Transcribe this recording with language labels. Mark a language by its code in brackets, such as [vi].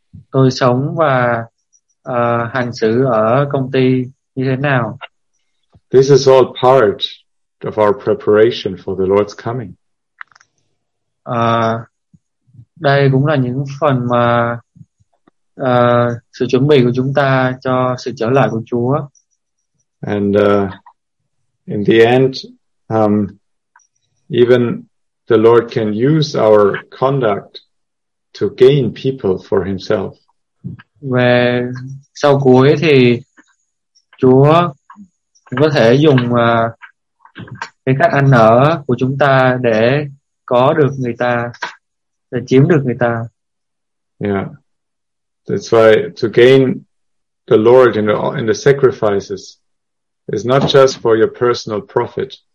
[vi] Tôi sống và hành xử ở công ty như thế nào? [en] This is all part of our preparation for the Lord's coming. [vi] Đây cũng là những phần mà sự chuẩn bị của chúng ta cho sự trở lại của Chúa. [en] And in the end, even the Lord can use our conduct to gain people for himself. [vi] Và sau cuối thì Chúa có thể dùng cái cách ăn ở của chúng ta để có được người ta, để chiếm được người ta. [en] Yeah. That's why to gain the Lord in the sacrifices is not just for your personal profit.